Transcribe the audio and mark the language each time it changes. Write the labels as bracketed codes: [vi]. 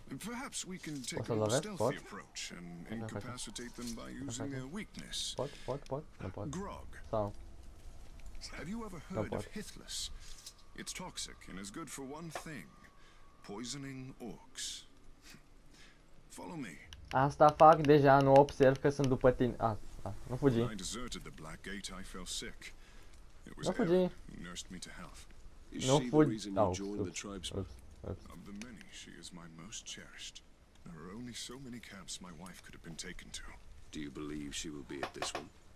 [en] Perhaps we can take a stealthy approach and incapacitate them by using their weakness. What? Grog. So. Have you ever heard of Hithlis? It's toxic and is good for one thing: poisoning orcs. Follow me. [ro] Asta fac deja, nu observ că sunt după tine. Nu fugi. [en] When I deserted the Black Gate, I fell sick. It was Aaron who nursed me to health. Is she the reason you joined the tribesmen? Of the many, she is my most cherished. There are only so many camps my wife could have been taken to. Do you believe she will be at this one?